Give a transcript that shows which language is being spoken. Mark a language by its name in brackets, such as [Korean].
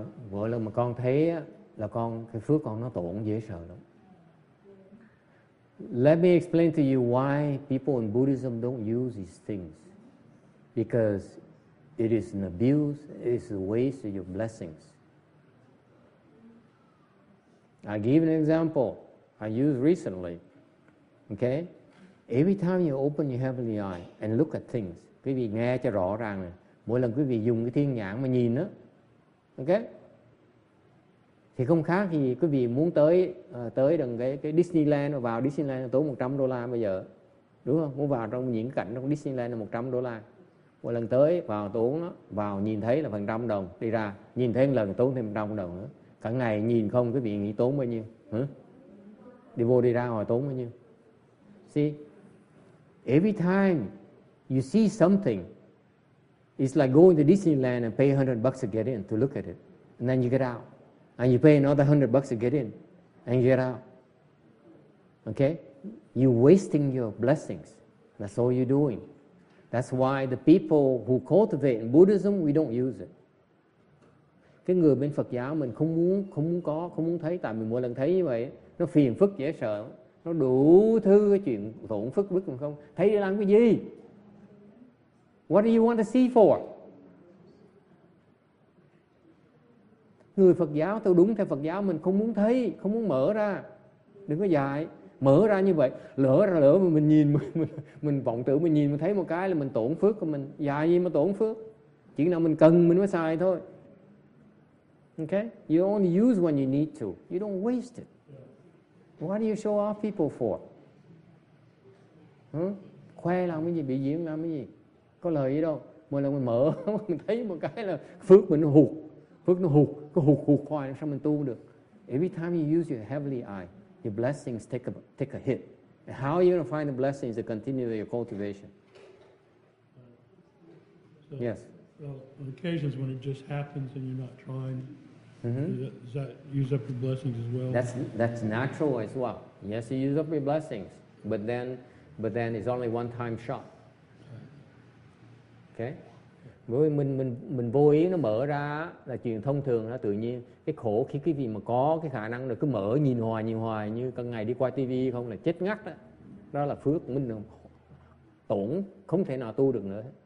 [Vietnamese] Mỗi lần mà con thấy là con cái phước con nó tổn dễ sợ lắm. [English] Let me explain to you why people in Buddhism don't use these things. Because it is an abuse, it is a waste of your blessings. I give an example I used recently. Okay? Every time you open your heavenly eye and look at things, [Vietnamese] quý vị nghe cho rõ ràng này. Mỗi lần quý vị dùng cái thiên nhãn mà nhìn á, okay? Thì không khác gì quý vị muốn tới đằng cái Disneyland, vào Disneyland tốn $100 bây giờ. Đúng không? Muốn vào trong những cảnh trong Disneyland là $100. Mỗi lần tới vào tốn đó, vào nhìn thấy là $100, đi ra nhìn thấy một lần tốn thêm $100 nữa. Cả ngày nhìn không quý vị nghĩ tốn bao nhiêu? Hả? Đi vô đi ra hồi tốn bao nhiêu? [English] See? Every time you see something, it's like going to Disneyland and pay $100 to get in to look at it. And then you get out. And you pay another $100 to get in. And you get out. Okay? You're wasting your blessings. That's all you're doing. That's why the people who cultivate in Buddhism, we don't use it. [Vietnamese] Cái người bên Phật giáo mình không muốn có, không muốn thấy. Tại mình mỗi lần thấy như vậy, nó phiền phức dễ sợ. Nó đủ thứ cái chuyện tổn phức bức mình không. Thấy để làm cái gì? [English] What do you want to see for? [Vietnamese] Người Phật giáo, tôi đúng theo Phật giáo, mình không muốn thấy, không muốn mở ra. Đừng có dài. Mở ra như vậy, lỡ mà mình nhìn, mình vọng tưởng, mình nhìn, mình thấy một cái là mình tổn phước của mình. Dài gì mà tổn phước? Chỉ nào mình cần, mình mới xài thôi. [English] Okay? You only use when you need to. You don't waste it. What do you show off people for? [Vietnamese] Khoe làm cái gì, bị diễn làm cái gì? Có lời gì đâu. Mỗi lần mình mở, mình thấy một cái là phước mình hụt. Phước nó hụt, có hụt hụt khoai, sao mình tu được? [English] Every time you use your heavenly eye, your blessings take a hit. And how are you going to find the blessings to continue your cultivation? Yes. On occasions when it just happens and you're not trying, does that use up your blessings as well? That's natural as well. Yes, you use up your blessings, but then it's only one time shot. Okay. [Vietnamese] Mình vô ý nó mở ra là chuyện thông thường, nó tự nhiên. Cái khổ khi cái gì mà có cái khả năng là cứ mở nhìn hoài như cả ngày đi qua tivi không là chết ngắt đó. Đó là phước mình tổn, không thể nào tu được nữa.